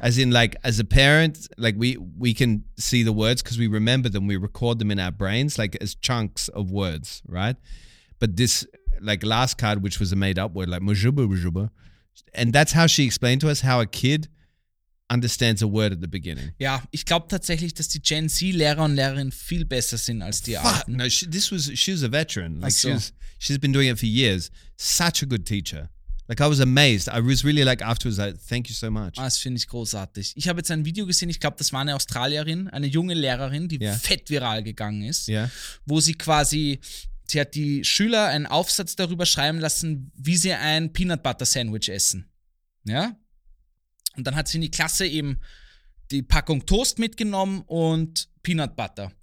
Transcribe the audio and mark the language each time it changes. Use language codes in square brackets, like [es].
[en] As in like, as a parent, like we can see the words because we remember them. We record them in our brains, like as chunks of words, right? But this like last card, which was a made up word, like mjububuju. And that's how she explained to us how a kid understands a word at the beginning. [de] Ja, ich glaube tatsächlich, dass die Gen Z Lehrer und Lehrerinnen viel besser sind als die Alten. [en] Fuck, no, she was a veteran. Like so. She's been doing it for years. Such a good teacher. Like I was amazed. I was really like afterwards, like, thank you so much. [de] Das finde ich großartig. Ich habe jetzt ein Video gesehen, ich glaube, das war eine Australierin, eine junge Lehrerin, die fett viral gegangen ist, wo sie quasi... Sie hat die Schüler einen Aufsatz darüber schreiben lassen, wie sie ein Peanut Butter Sandwich essen. Ja? Und dann hat sie in die Klasse eben die Packung Toast mitgenommen und Peanut Butter.